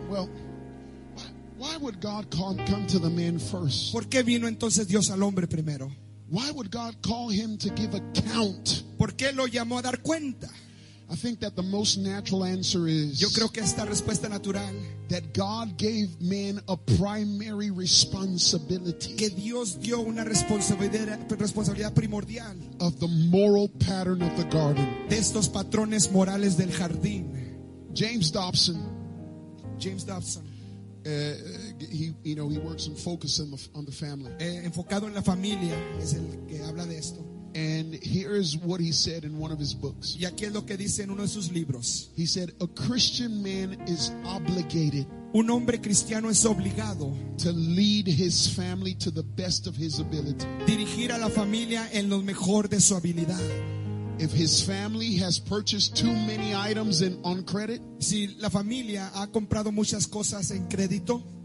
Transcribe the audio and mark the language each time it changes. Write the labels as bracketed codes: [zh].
[en] Well, why would God come to the man first? [es] ¿Por qué vino entonces Dios al hombre primero? [en] Why would God call him to give account? [es] ¿Por qué lo llamó a dar cuenta? [en] I think that the most natural answer is, [es] yo creo que esta respuesta natural, [en] that God gave man a primary responsibility, [es] que Dios dio una responsabilidad primordial, [en] of the moral pattern of the garden, [es] de estos patrones morales del jardín. [en] James Dobson, he works in focus on the family. [es] Enfocado en la familia es el que habla de esto. [en] And here is what he said in one of his books. [es] Y aquí es lo que dice en uno de sus libros. [en] He said, a Christian man is obligated. [es] Un hombre cristiano es obligado. [en] To lead his family to the best of his ability. [es] Dirigir a la familia en lo mejor de su habilidad. [en] If his family has purchased too many items in on credit. [es] Si la familia ha comprado muchas cosas en crédito.